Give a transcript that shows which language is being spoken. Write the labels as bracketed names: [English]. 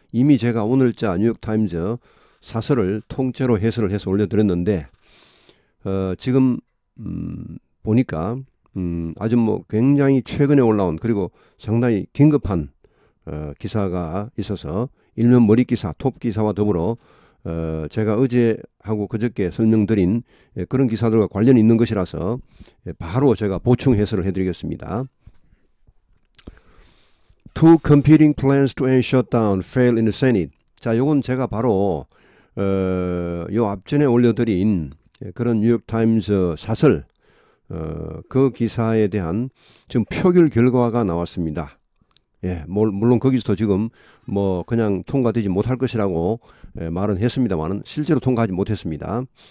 [Korean] 이미 제가 오늘자 뉴욕타임즈 사설을 통째로 해설을 해서 올려드렸는데, 지금 보니까 아주 뭐 굉장히 최근에 올라온, 그리고 상당히 긴급한 기사가 있어서 일면 머릿기사, 톱기사와 더불어 제가 어제하고 그저께 설명드린 그런 기사들과 관련이 있는 것이라서 바로 제가 보충 해설을 해드리겠습니다. [English] Two competing plans to end shutdown fail in the Senate. [Korean] 자, 요건 제가 바로 요 앞전에 올려드린 그런 뉴욕타임즈 사설, 그 기사에 대한 지금 표결 결과가 나왔습니다. 예, 물론 거기서도 지금 뭐 그냥 통과되지 못할 것이라고 말은 했습니다만은 실제로 통과하지 못했습니다.